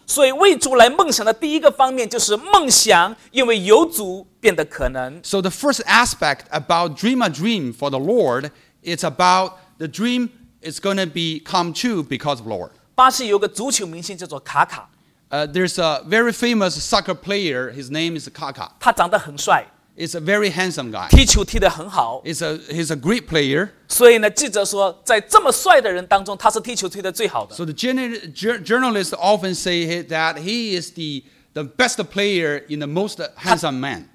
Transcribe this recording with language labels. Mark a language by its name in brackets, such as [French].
[Chinese] 所以为主来梦想的第一个方面就是梦想因为有主, [English] so the first aspect about dream a dream for the Lord, it's about the dream is going to be come true because of the Lord. [Chinese] 巴西有个足球明星叫做卡卡, [English] there's a very famous soccer player, his name is Kaká. [Chinese] 他长得很帅, [English] he's a very handsome guy. [Chinese] 踢球踢得很好, [English] he's a great player. [Chinese] 所以呢, 记者说, 在这么帅的人当中, [English] so the journalist often say that he is the best player in the most handsome man.